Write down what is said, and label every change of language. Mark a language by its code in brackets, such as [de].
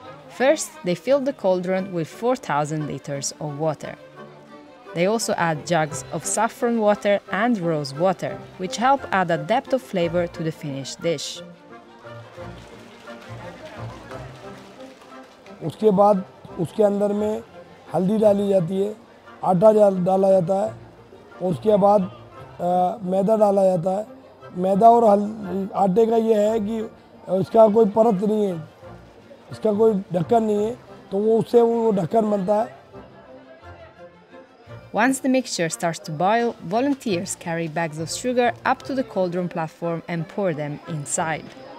[en] First, they fill the cauldron with 4,000 liters of water. They also add jugs of saffron water and rose water, which help add a depth of flavor to the finished dish. [hi] उसके बाद उसके अंदर में हल्दी डाली जाती है आटा डाला जाता है उसके बाद मैदा डाला जाता है मैदा और आटे का ये है कि उसका कोई परत नहीं है उसका कोई ढक्कन नहीं है तो वो उससे वो ढक्कन बनता है [en] Once the mixture starts to boil, volunteers carry bags of sugar up to the cauldron platform and pour them inside.